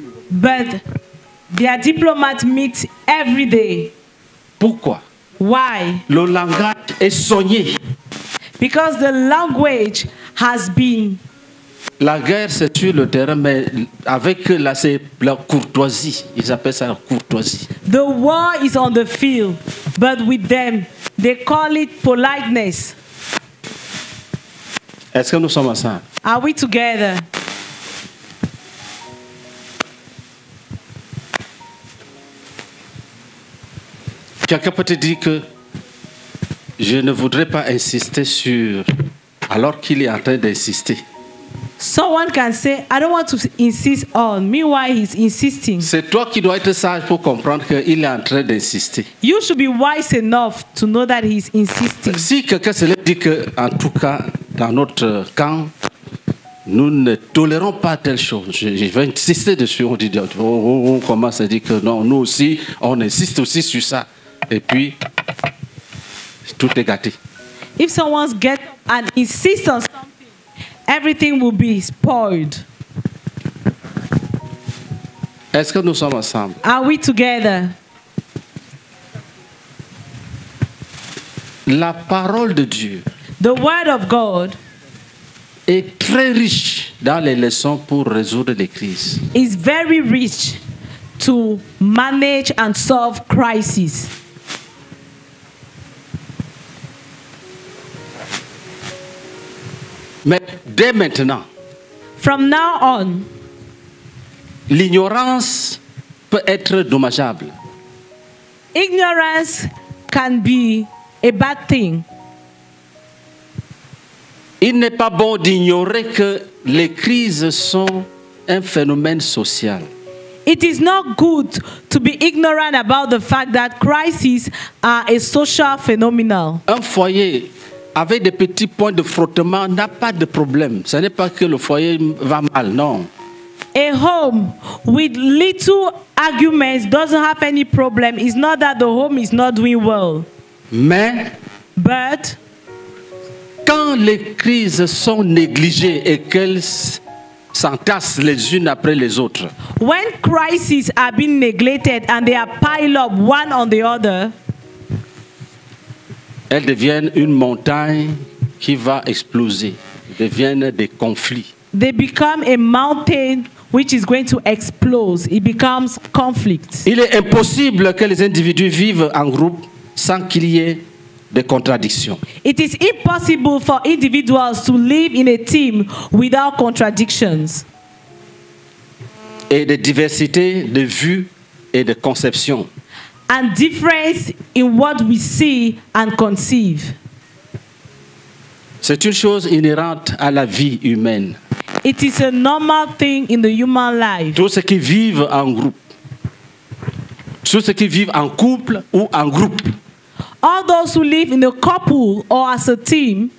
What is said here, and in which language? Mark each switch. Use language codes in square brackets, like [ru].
[en] But their diplomats meet every day. [fr] Pourquoi? [en] Why? [fr] Le langage est soigné. [en] Because the language has been. [fr] La guerre se tue le terrain, mais avec la, c'est la courtoisie. Ils appellent ça la courtoisie. [en] The war is on the field, but with them, they call it politeness. [fr] Est-ce que nous sommes ensemble? [en] Are we together? [fr] Quelqu'un peut te dire que je ne voudrais pas insister sur alors qu'il est en train d'insister. [en] Someone can say, I don't want to insist on. Meanwhile, he's insisting. [fr] C'est toi qui dois être sage pour comprendre qu'il est en train d'insister. [en] You should be wise enough to know that he's insisting. [fr] Si quelqu'un se le dit que, en tout cas, dans notre camp, nous ne tolérons pas telle chose. Je vais insister dessus. On dit, on commence à dire que non, nous aussi, on insiste aussi sur ça. Et puis, tout est gâté. [en] If someone gets and insists on something, everything will be spoiled. [fr] Est-ce que nous sommes ensemble? [en] Are we together? [fr] La parole de Dieu. [en] The word of God [fr] est très riche dans les leçons pour résoudre les crises. [en] Is very rich to manage and solve crises. [fr] Mais dès maintenant, [en] from now on, [fr] l'ignorance peut être dommageable. [en] Ignorance can be a bad thing. [fr] Il n'est pas bon d'ignorer que les crises sont un phénomène social. [en] It is not good to be ignorant about the fact that crises are a social phenomenon. [fr] Un foyer avec des petits points de frottement n'a pas de problème. Ce n'est pas que le foyer va mal, non. [en] A home with little arguments doesn't have any problem. It's not that the home is not doing well. [fr] Mais, [en] but, [fr] quand les crises sont négligées et qu'elles s'entassent les unes après les autres, [en] when crises are being neglected and they are piled up one on the other, [fr] elles deviennent une montagne qui va exploser. Elles deviennent des conflits. [en] They become a mountain which is going to explode. It becomes conflict. [fr] Il est impossible que les individus vivent en groupe sans qu'il y ait des contradictions. [en] It is impossible for individuals to live in a team without contradictions. [fr] Et des diversités de vues et de conceptions. [en] And difference in what we see and conceive. [fr] C'est une chose inhérente à la vie humaine. [en] It is a normal thing in the human life. [fr] Tous ceux qui vivent en groupe. Tous ceux qui vivent en couple ou en groupe. [en] all those who live in a couple or as a team